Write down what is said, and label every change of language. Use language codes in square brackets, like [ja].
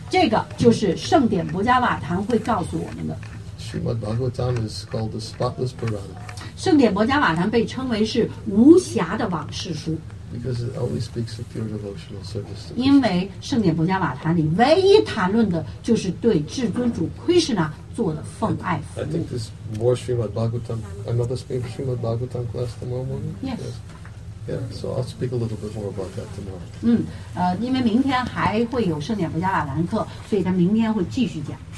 [zh] 这个就是圣典薄伽瓦坛会告诉我们的。Srimad [en] Bhagavatam is called the spotless Purana. [zh] 圣典薄伽瓦坛被称为是无瑕的往事书。 [en] Because it only speaks of pure devotional service. [zh] 因为圣典薄伽瓦坛里唯一谈论的就是对至尊主Krishna做的奉爱服务。 [en] I think there's more Srimad Bhagavatam. Another Srimad Bhagavatam class tomorrow morning? Yes. Yeah, so I'll speak a little bit more about that tomorrow. [zh] 因为明天还会有圣典薄伽瓦坛课，所以他明天会继续讲。